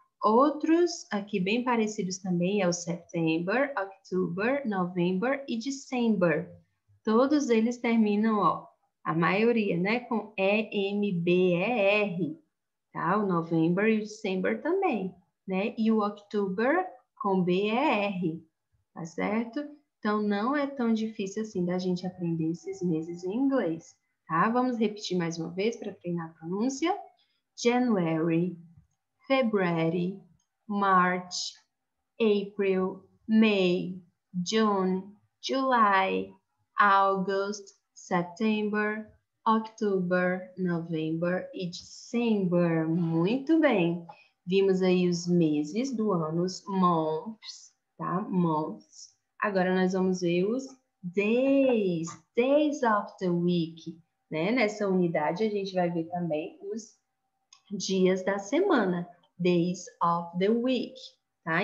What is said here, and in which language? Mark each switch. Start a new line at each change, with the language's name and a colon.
Portuguese: Outros aqui bem parecidos também é o
English: September, October, November
Portuguese: e December. Todos eles terminam, ó, a maioria, né? Com E-M-B-E-R, tá? O November e o December também, né? E o October com B-E-R, tá certo? Então, não é tão difícil assim da gente aprender esses meses em inglês. Tá, vamos repetir mais uma vez para treinar a pronúncia.
English: January, February, March, April, May, June, July, August, September, October, November e December.
Portuguese: Muito bem. Vimos aí os meses do ano, os months, tá? Months. Agora nós vamos ver os
English: days, days of the week,
Portuguese: né? Nessa unidade a gente vai ver também os dias da semana,
English: days of the week,
Portuguese: tá?